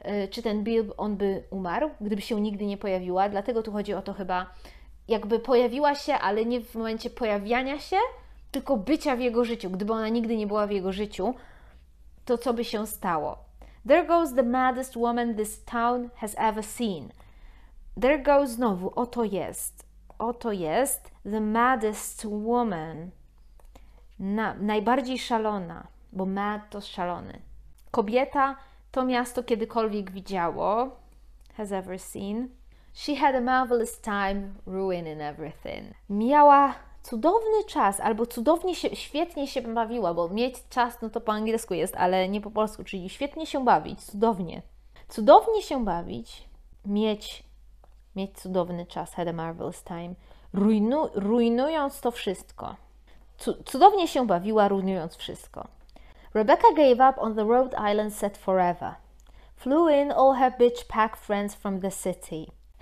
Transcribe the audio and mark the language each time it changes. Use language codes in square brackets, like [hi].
[pl] Czy ten Bill, on by umarł, gdyby się nigdy nie pojawiła? Dlatego tu chodzi o to chyba, jakby pojawiła się, ale nie w momencie pojawiania się, tylko bycia w jego życiu. Gdyby ona nigdy nie była w jego życiu, to co by się stało? [en] There goes the maddest woman this town has ever seen. There goes, [pl] znowu, oto jest. Oto jest [en] the maddest woman, [pl] najbardziej szalona, bo mad to szalony. Kobieta to miasto kiedykolwiek widziało, [en] has ever seen. She had a marvelous time ruining everything. [pl] Miała cudowny czas, albo cudownie się, świetnie się bawiła, bo mieć czas, no to po angielsku jest, ale nie po polsku, czyli świetnie się bawić, cudownie. Cudownie się bawić, mieć cudowny czas, [en] had a marvelous time, [pl] rujnując to wszystko. Cudownie się bawiła, rujnując wszystko. [en] Rebecca gave up on the Rhode Island set forever. Flew in all her bitch pack friends from the city.